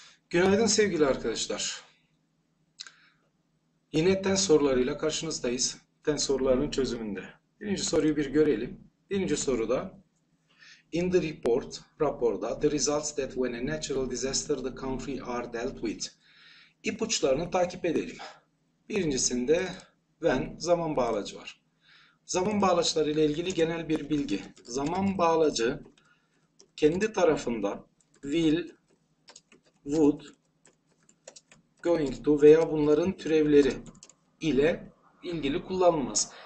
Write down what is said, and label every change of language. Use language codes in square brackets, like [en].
[tr] Günaydın sevgili arkadaşlar. Yine TEN sorularıyla karşınızdayız. TEN sorularının çözümünde. Birinci soruyu bir görelim. Birinci soruda [en] in the report, [tr] raporda [en] the results that when a natural disaster the country are dealt with. [tr] İpuçlarını takip edelim. Birincisinde when zaman bağlacı var. Zaman bağlaçları ile ilgili genel bir bilgi. Zaman bağlacı kendi tarafında will, would, going to veya bunların türevleri ile ilgili kullanılmaz.